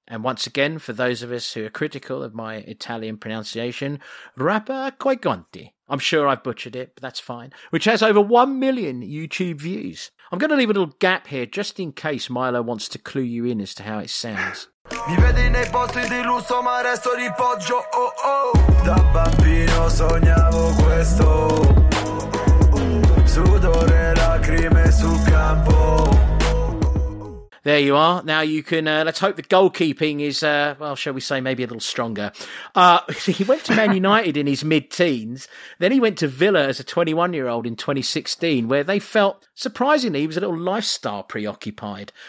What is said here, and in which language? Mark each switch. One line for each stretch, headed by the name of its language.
English: And once again, for those of us who are critical of my Italian pronunciation, Rapper Coi Guanti. I'm sure I've butchered it, but that's fine. Which has over 1 million YouTube views. I'm going to leave a little gap here just in case Milo wants to clue you in as to how it sounds.
Italian: Mi vedi nei posti di lusso ma resto di poggio, oh oh. Da bambino sognavo questo. Sudore, lacrime sul campo.
English: There you are. Now you can, let's hope the goalkeeping is, shall we say, maybe a little stronger. He went to Man United in his mid-teens. Then he went to Villa as a 21-year-old in 2016, where they felt, surprisingly, he was a little lifestyle preoccupied.